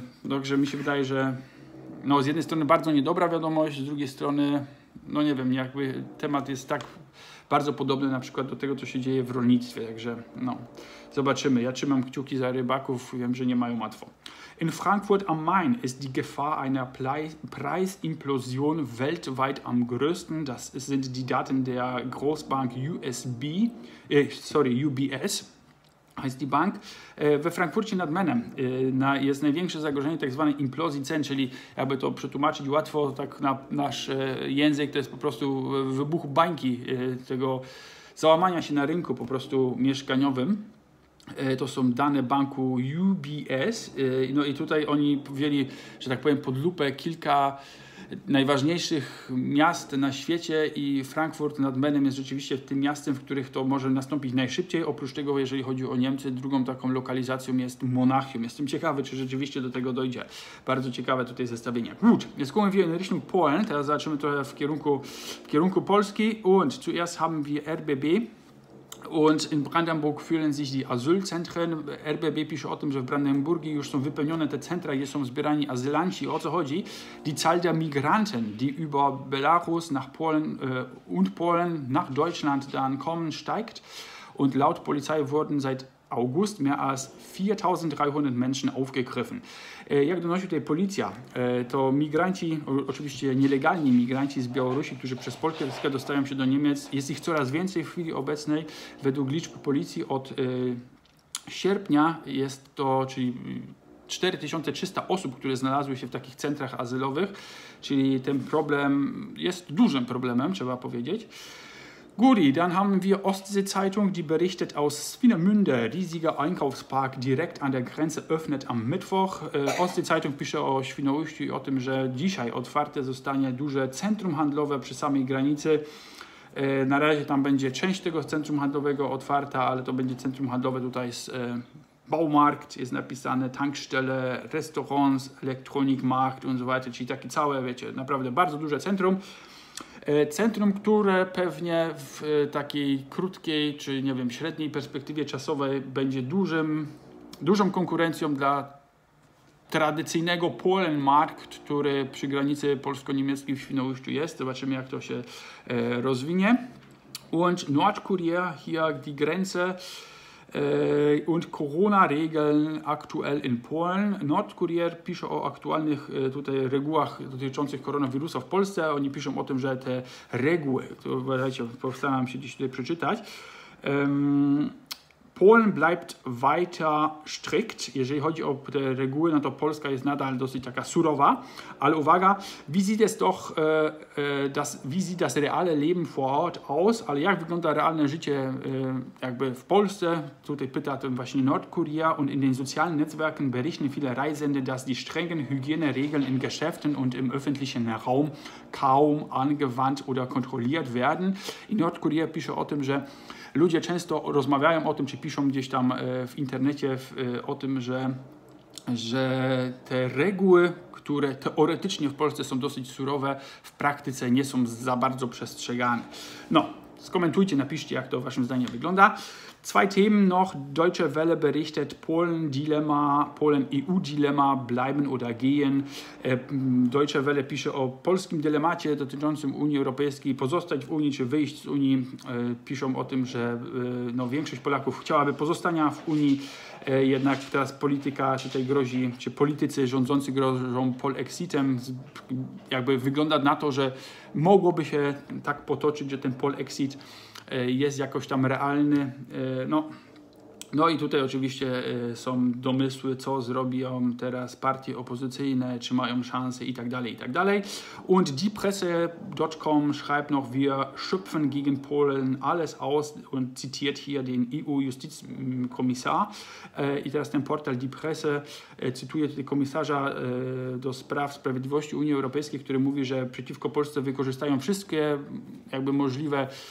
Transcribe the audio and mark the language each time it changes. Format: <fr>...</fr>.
<pl>Także mi się wydaje, że no, z jednej strony bardzo niedobra wiadomość, z drugiej strony, no nie wiem, jakby temat jest tak bardzo podobny na przykład do tego, co się dzieje w rolnictwie, także no, zobaczymy. Ja trzymam kciuki za rybaków, wiem, że nie mają łatwo.</pl> <de>In Frankfurt am Main ist die Gefahr einer Preisimplosion weltweit am größten. Das sind die Daten der Großbank UBS. Heißt die Bank.</de> <pl>We Frankfurcie nad Menem jest największe zagrożenie tak zwanej implozji cen, czyli aby to przetłumaczyć łatwo tak na nasz język, to jest po prostu wybuch bańki, tego załamania się na rynku po prostu mieszkaniowym. To są dane banku UBS. No i tutaj oni wzięli, że tak powiem, pod lupę kilka najważniejszych miast na świecie i Frankfurt nad Menem jest rzeczywiście tym miastem, w których to może nastąpić najszybciej. Oprócz tego, jeżeli chodzi o Niemcy, drugą taką lokalizacją jest Monachium. Jestem ciekawy, czy rzeczywiście do tego dojdzie. Bardzo ciekawe tutaj zestawienie.</pl> <de>Gut, jetzt kommen wir in Richtung Polen.</de> <pl>Teraz zobaczymy trochę w kierunku Polski.</pl> <de>Und zuerst haben wir RBB. Und in Brandenburg fühlen sich die Asylzentren.</de> <pl>RBB pisze o tym, że w Brandenburgii już są wypełnione te centra, gdzie są zbierani azylanci. O co chodzi?</pl> <de>Die Zahl der Migranten, die über Belarus nach Polen und Polen nach Deutschland dann kommen, steigt. Und laut Polizei wurden seit August mehr als 4300 Menschen aufgegriffen.</de> <pl>Jak donosi tutaj policja, to migranci, oczywiście nielegalni migranci z Białorusi, którzy przez Polskę dostają się do Niemiec, jest ich coraz więcej w chwili obecnej. Według liczb policji od sierpnia jest to, czyli 4300 osób, które znalazły się w takich centrach azylowych, czyli ten problem jest dużym problemem, trzeba powiedzieć.</pl> <de>Guri, dann haben wir Ostsee-Zeitung, die berichtet aus Swinemünde, riesiger Einkaufspark direkt an der Grenze öffnet am Mittwoch.</de> <pl>Ostsee-Zeitung pisze o Świnoujściu i o tym, że dzisiaj otwarte zostanie duże centrum handlowe przy samej granicy. Na razie tam będzie część tego centrum handlowego otwarta, ale to będzie centrum handlowe tutaj z Baumarkt, jest napisane,</pl> <de>Tankstelle, Restaurants, Elektronikmarkt und so weiter,</de> <pl>czyli takie całe, wiecie, naprawdę bardzo duże centrum. Centrum, które pewnie w takiej krótkiej, czy nie wiem, średniej perspektywie czasowej będzie dużą konkurencją dla tradycyjnego Polenmarkt, który przy granicy polsko-niemieckiej w Świnoujściu jest. Zobaczymy, jak to się rozwinie.</pl> <de>Und Nordkorea hier die Grenze und Corona-Regeln aktuell in Polen.</de> <pl>Nordkurier pisze o aktualnych tutaj regułach dotyczących koronawirusa w Polsce. Oni piszą o tym, że te reguły, to uważajcie, postaram się dziś tutaj przeczytać.</pl> <de>Polen bleibt weiter strikt.</de> <pl>Jeżeli chodzi o te reguły, no to Polska jest nadal dosyć taka surowa. Ale uwaga,</pl> <de>wie sieht das reale Leben vor Ort aus?</de> <pl>Ale jak wygląda realne życie jakby w Polsce? Tutaj pyta ten właśnie Nordkorea.</pl> <de>Und in den sozialen Netzwerken berichten viele Reisende, dass die strengen Hygieneregeln in Geschäften und im öffentlichen Raum kaum angewandt oder kontrolliert werden.</de> <pl>In Nordkorea pisze o tym, że ludzie często rozmawiają o tym, czy piszą gdzieś tam w internecie o tym, że te reguły, które teoretycznie w Polsce są dosyć surowe, w praktyce nie są za bardzo przestrzegane. No, skomentujcie, napiszcie, jak to waszym zdaniem wygląda.</pl> <de>Zwei Themen noch. Deutsche Welle berichtet Polen-Dilemma, Polen-EU-Dilemma, bleiben oder gehen.</de> <pl>Deutsche Welle pisze o polskim dylemacie dotyczącym Unii Europejskiej, pozostać w Unii czy wyjść z Unii. Piszą o tym, że no, większość Polaków chciałaby pozostania w Unii, jednak teraz polityka tutaj grozi, czy politycy rządzący grożą Polexitem. Jakby wygląda na to, że mogłoby się tak potoczyć, że ten Polexit jest jakoś tam realny. No, no i tutaj oczywiście są domysły, co zrobią teraz partie opozycyjne, czy mają szansę i tak dalej, i tak dalej.</pl> <de>Und diepresse.com schreibt noch, wir schöpfen gegen Polen alles aus und zitiert hier den EU-Justizkommissar.</de> <pl>I teraz ten portal Die Presse cytuje tutaj komisarza do spraw sprawiedliwości Unii Europejskiej, który mówi, że przeciwko Polsce wykorzystają wszystkie jakby możliwe</pl>